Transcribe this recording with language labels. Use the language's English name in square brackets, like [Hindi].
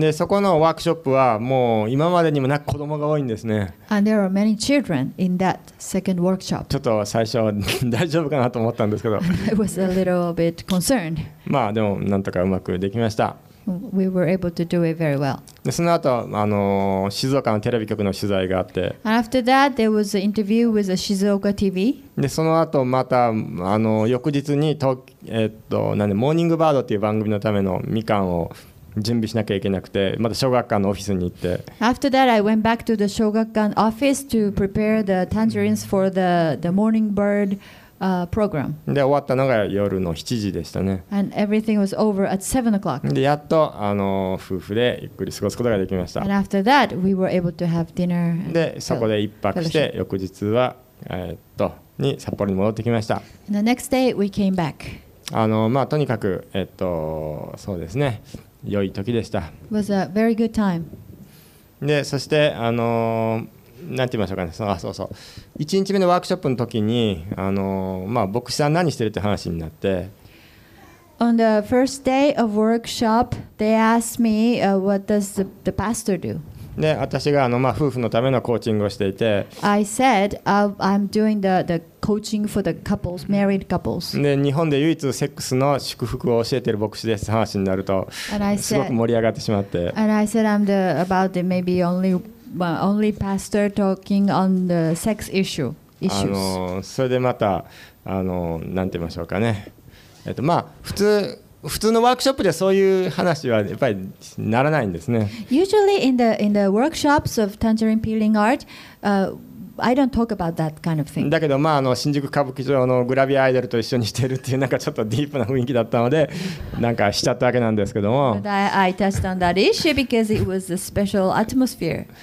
[Japanese] で、そこのワークショップはもう今までにもなく子供が多いんですね。 [English] And there are many children in that second workshop. [Japanese] ちょっと最初大丈夫かなと思ったんですけど。 [English] I was a little bit concerned. [Japanese] まあでもなんとかうまくできました。 [English] We were able to do it very well. [Japanese] で、その後静岡のテレビ局の取材があって。 [English] And after that, there was an interview with the 静岡 TV. [Japanese] で、その後また翌日にモーニングバードっていう番組のためのみかんを準備しなきゃいけなくて、また小学館のオフィスに行って。 [English] After that, I went back to the 小学館 office to prepare the tangerines for the morning bird program. [Japanese] で、終わったのが夜の7時でしたね。 [English] And everything was over at 7 o'clock. [Japanese] で、やっと夫婦でゆっくり過ごすことができました。 [English] And after that, we were able to have dinner. [Japanese] で、そこで一泊して、翌日は、に札幌に戻ってきました。 [English] And the next day, we came back. [Japanese] まあ、とにかく、そうですね、良い時でした。 [English] It was a very good time. [Japanese] で、そして、なんて言いましょうかね、そう、1日目のワークショップの時に、まあ、牧師さん何してるって話になって。 [English] On the first day of workshop, they asked me, what does the pastor do? [Japanese] で、私がまあ、夫婦のためのコーチングをしていて、 [English] I said, I'm doing the coaching for the couples, married couples. [Japanese] で、日本で唯一セックスの祝福を教えている牧師です話になると、すごく盛り上がってしまって、 [English] And I said, I'm the about the maybe only, well, only pastor talking on the sex issues. [Japanese] それでまた、なんて言いましょうかね。まあ、普通のワークショップでそういう話はやっぱりならないんですね。 [English] Usually in the workshops of tangerine peeling art, I don't talk about that kind of thing. [Japanese] だけど、まあ、新宿歌舞伎町のグラビアアイドルと一緒にしてるっていうなんかちょっとディープな雰囲気だったので、なんかしちゃったわけなんですけども。 [English] But I touched on that issue because it was a special atmosphere.